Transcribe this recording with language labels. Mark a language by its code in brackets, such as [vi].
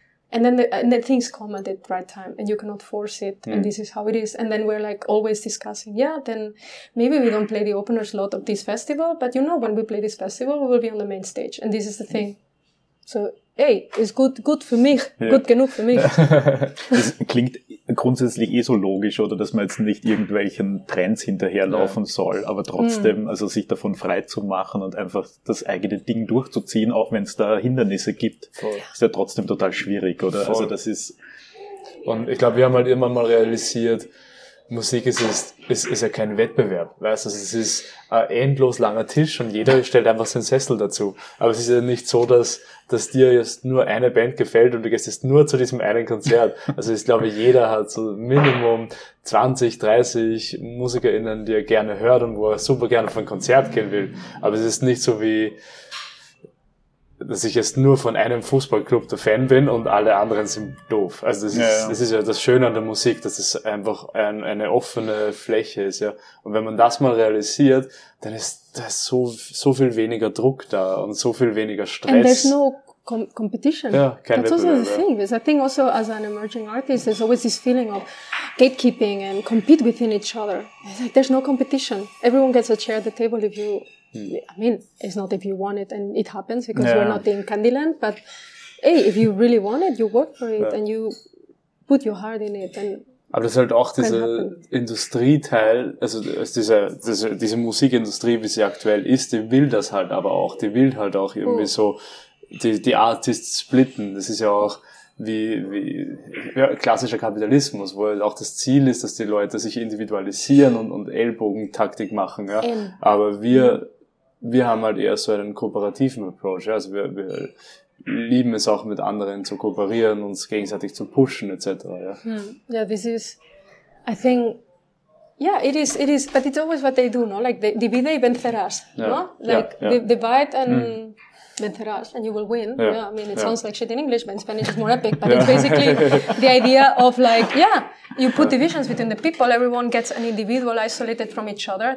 [en] And then things come at the right time and you cannot force it. Mm. And this is how it is. And then we're like always discussing, yeah, then maybe we don't play the opener slot of this festival, but you know, when we play this festival, we will be on the main stage. And this is the thing. So, hey, it's good, good for me. Yeah. Good [de] genug [en] for me. [de] Das klingt grundsätzlich eh so logisch, oder, dass man jetzt nicht irgendwelchen Trends hinterherlaufen soll, aber trotzdem, also sich davon frei zu machen und einfach das eigene Ding durchzuziehen, auch wenn es da Hindernisse gibt, ist ja trotzdem total schwierig, oder? Voll. Also das ist. Und ich glaube, wir haben halt irgendwann mal realisiert, Musik ist ja kein Wettbewerb, weißt du, also es ist ein endlos langer Tisch und jeder stellt einfach seinen Sessel dazu. Aber es ist ja nicht so, dass dir jetzt nur eine Band gefällt und du gehst jetzt nur zu diesem einen Konzert. Also ich glaube, jeder hat so Minimum 20, 30 MusikerInnen, die er gerne hört und wo er super gerne auf ein Konzert gehen will. Aber es ist nicht so wie, dass ich jetzt nur von einem Fußballclub der Fan bin und alle anderen sind doof. Also das ist ja das Schöne an der Musik, dass es einfach eine offene Fläche ist, ja. Und wenn man das mal realisiert, dann ist da so viel weniger Druck da und so viel weniger Stress. [en] And there's no competition. [de] Ja, kein [en] That's [de] Wettbewerb, [en] also the thing. Because I think also as an emerging artist, there's always this feeling of gatekeeping and compete within each other. It's like there's no competition. Everyone gets a chair at the table if you. I mean, it's not if you want it and it happens because you're not in Candyland, but hey, if you really want it, you work for it and you put your heart in it. And [de] aber das ist halt auch dieser Industrieteil, also diese Musikindustrie, wie sie aktuell ist, die will das halt aber auch. Die will halt auch irgendwie so die Artists splitten. Das ist ja auch wie klassischer Kapitalismus, wo auch das Ziel ist, dass die Leute sich individualisieren und Ellbogentaktik machen. Ja. Aber wir haben halt eher so einen kooperativen Approach. Ja. Also wir lieben es auch, mit anderen zu kooperieren, uns gegenseitig zu pushen, etc. Ja, [en] this is, I think, it is, but it's always what they do, no? Like, they divide [es] y vencerás, [en] no? Like, divide and [es] vencerás, [en] and you will win. Yeah. Yeah, I mean, it sounds like shit in English, but in Spanish it's more epic, but it's basically the idea of like, you put divisions between the people, everyone gets an individual isolated from each other.